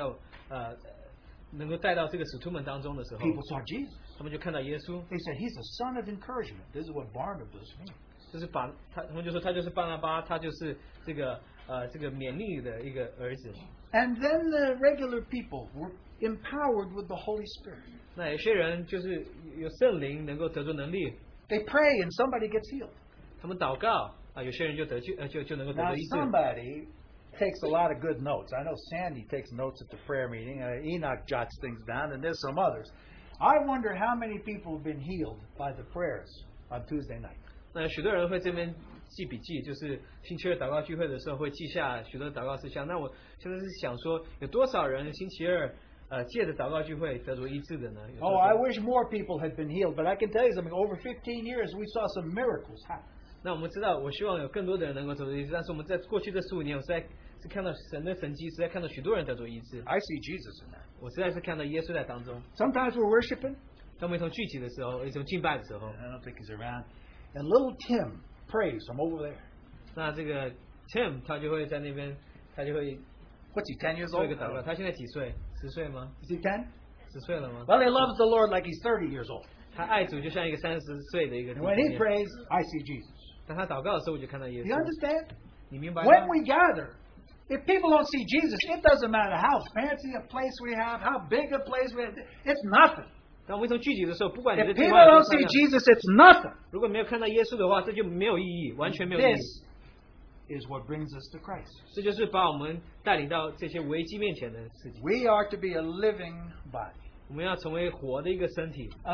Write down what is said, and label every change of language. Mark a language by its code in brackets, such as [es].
[zh] 当他卖掉一块地的时候,能够把钱带到,能够带到这个使徒们当中的时候, [en] people saw Jesus. [zh] 他们就看到耶稣。 [en] They said, he's a son of encouragement. This is what Barnabas means. [zh] 他们就说他就是巴拿巴,他就是这个勉励的一个儿子。 [en] And then the regular people were empowered with the Holy Spirit. [zh] 那有些人就是有圣灵能够得着能力。 [en] They pray and somebody gets healed. [zh] 他们祷告,有些人就得救,就能够得到医治。 [en] Now somebody takes a lot of good notes. I know Sandy takes notes at the prayer meeting. Enoch jots things down, and there's some others. I wonder how many people have been healed by the prayers on Tuesday night. [zh] 那许多人会这边记笔记，就是星期二祷告聚会的时候会记下许多祷告事项。那我现在是想说，有多少人星期二借着祷告聚会得着医治的呢？ [en] Oh, I wish more people had been healed, but I can tell you something. Over 15 years, we saw some miracles happen. [zh] 那我们知道，我希望有更多的人能够得着医治。但是我们在过去的15年，我实在是看到神的神迹，实在看到许多人得着医治。 [en] I see Jesus in that. [zh] 我实在是看到耶稣在当中。 [en] Sometimes we're worshiping. [zh] 当我们一同聚集的时候，一同敬拜的时候。 [en] I don't think he's around. And little Tim prays from over there. [zh] 那这个 Tim 他就会在那边，他就会。 [en] What's he, 10 years old? [zh] 他现在几岁？10岁吗？ [en] Is he 10? [zh] 10岁了吗？ [en] Well, he loves the Lord like he's 30 years old. [zh] 他爱主就像一个30岁的一个。 [en] And when he prays, I see Jesus. [zh] 当他祷告的时候，我就看到耶稣。 [en] You understand? [zh] 你明白吗？ [en] When we gather, if people don't see Jesus, it doesn't matter how fancy a place we have, how big a place we have, it's nothing. [zh] 当我们一同聚集的时候，不管你的。 [en] If people don't see Jesus, it's nothing. [zh] 如果没有看到耶稣的话，这就没有意义，完全没有意义。 [en] Is what brings us to Christ. [zh] 这就是把我们带领到这些危机面前的事情。 [en] We are to be a living body. [zh] 我们要成为活的一个身体。A